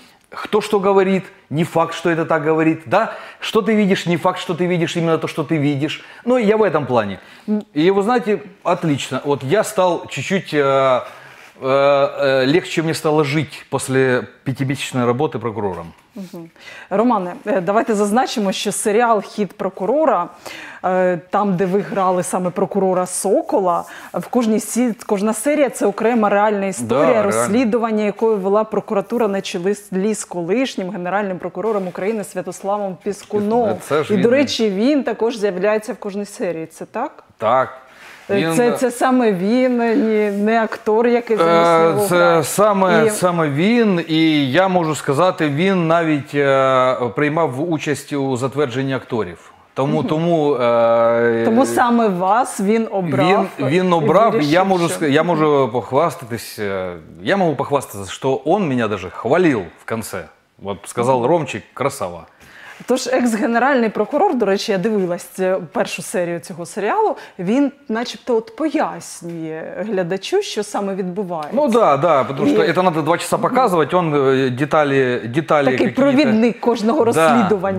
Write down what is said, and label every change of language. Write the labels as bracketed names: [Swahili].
[Russian] Кто что говорит, не факт, что это так говорит, да? Что ты видишь, не факт, что ты видишь именно то, что ты видишь. Ну, я в этом плане. И вы знаете, отлично. Вот я стал чуть-чуть легче мне стало жить после 5-месячной работы прокурором. [Ukrainian] Романе, давайте зазначимо, що серіал «Хід прокурора», там, де ви грали саме прокурора Сокола, в кожній кожна серія – це окрема реальна історія, [Russian] да, [Ukrainian] розслідування, якою вела прокуратура на чолі з колишнім генеральним прокурором України Святославом Піскуном. І, до речі, він також з'являється в кожній серії, це так? Так. Це саме він, не актор, який замість нього грає. Це саме він, і я можу сказати, він навіть приймав участь у затвердженні акторів. Тому, тому саме вас він обрав. Він обрав, я можу похвастатись, я можу похвастатися, що він мене навіть хвалив в кінці. От сказав: «Ромчик, красава». Тож, екс-генеральний прокурор, до речі, я дивилась першу серію цього серіалу, він начебто от пояснює глядачу, що саме відбувається. Ну так, да, тому що це треба 2 години показувати, він деталі... Такий провідник кожного розслідування